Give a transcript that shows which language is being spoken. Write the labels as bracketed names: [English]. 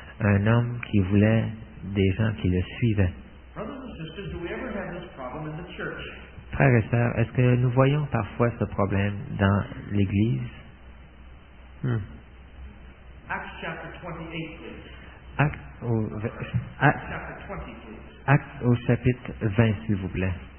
[French] Un homme qui voulait des gens qui le suivaient. [English] Brothers and sisters, do we ever have this problem in the church? [French] Frères et sœurs, est-ce que nous voyons parfois ce problème dans l'Église? [English] Acts chapter 28, please. [French] Acte au chapitre 20, s'il vous plaît.